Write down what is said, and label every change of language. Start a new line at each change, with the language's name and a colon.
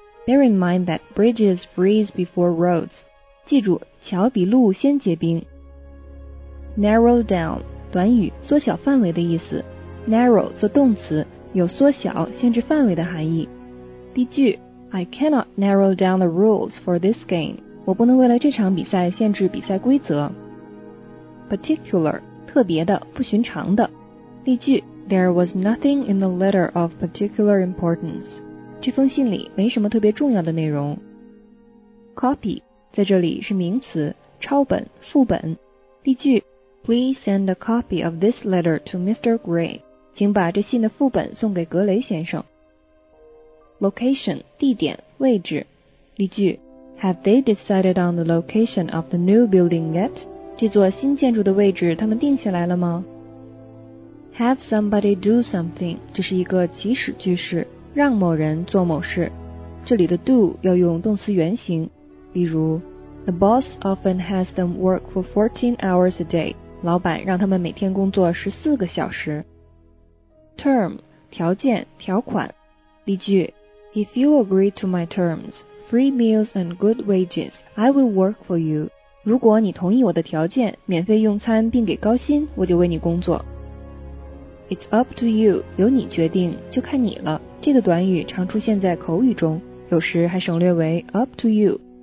English: Bear in mind that bridges freeze before roads.
Chinese: 记住，桥比路先结冰。Narrow down, 短语，缩小范围的意思。 Narrow 做动词，有缩小、限制范围的含义。
English: 例句 ：I cannot narrow down the rules for this game.
Chinese: 我不能为了这场比赛限制比赛规则。 Particular, 特别的、不寻常的。
English: 例句 ：There was nothing in the letter of particular importance.
Chinese: 这封信里没什么特别重要的内容。 Copy 在这里是名词，抄本、副本。
English: 例句 ：Please send a copy of this letter to Mr. Gray.
Chinese: 请把这信的副本送给格雷先生。 Location 地点、位置。
English: 例句 ：Have they decided on the location of the new building yet?
Chinese: 这座新建筑的位置他们定下来了吗 ？
English: Have somebody do something
Chinese: 这是一个祈使句式。让某人做某事，这里的 do 要用动词原形，例如 ，
English: The boss often has them work for 14 hours a day.
Chinese: 老板让他们每天工作14个小时。
English: Term
Chinese: 条件条款，
English: 例句 ，If you agree to my terms, free meals and good wages, I will work for you.
Chinese: 如果你同意我的条件，免费用餐并给高薪，我就为你工作。
English: It's up to you，
Chinese: 由你决定，就看你了。这个短语常出现在口语中，有时还省略为 up to you。